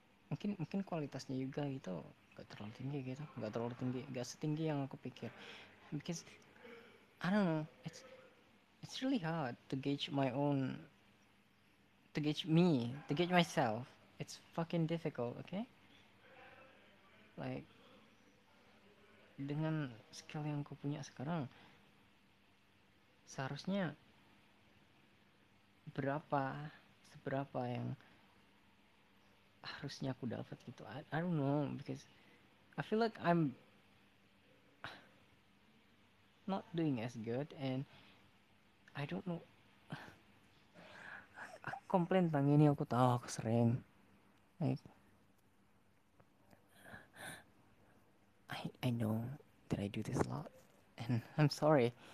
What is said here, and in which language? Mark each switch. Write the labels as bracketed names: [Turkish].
[Indonesian] Mungkin kualitasnya juga itu gak terlalu tinggi gitu, gak terlalu tinggi, gak setinggi yang aku pikir. [English] Because I don't know, it's really hard to gauge my own, to gauge me, to gauge myself. It's fucking difficult, okay? [Indonesian] Like, dengan skill yang aku punya sekarang, seharusnya seberapa yang harusnya aku dapat gitu. [English] I don't know, because I feel like I'm not doing as good, and I don't know. [Indonesian] Aku komplain tentang ini, aku tahu, aku sering. [English] I know that I do this a lot, and I'm sorry.